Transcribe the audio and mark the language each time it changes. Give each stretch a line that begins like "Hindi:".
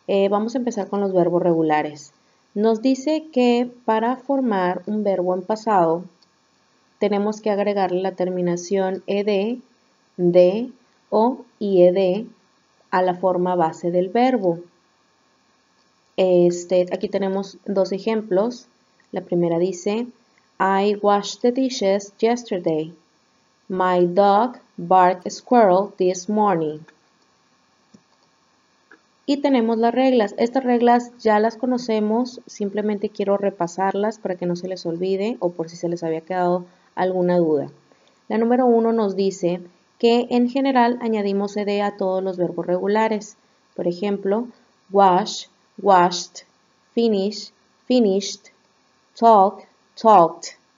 Spanish: Vamos a empezar con los verbos regulares. Nos dice que para formar un verbo en pasado tenemos que agregarle la terminación ed, de o ied a la forma base del verbo. Aquí tenemos dos ejemplos. La primera dice,
English: I washed the dishes yesterday. My dog barked squirrel this morning.
Spanish: Y tenemos las reglas. Estas reglas ya las conocemos, simplemente quiero repasarlas para que no se les olvide o por si se les había quedado alguna duda. La número uno nos dice que en general añadimos ed a todos los verbos regulares. Por ejemplo, wash, washed, finish, finished, talk, talked.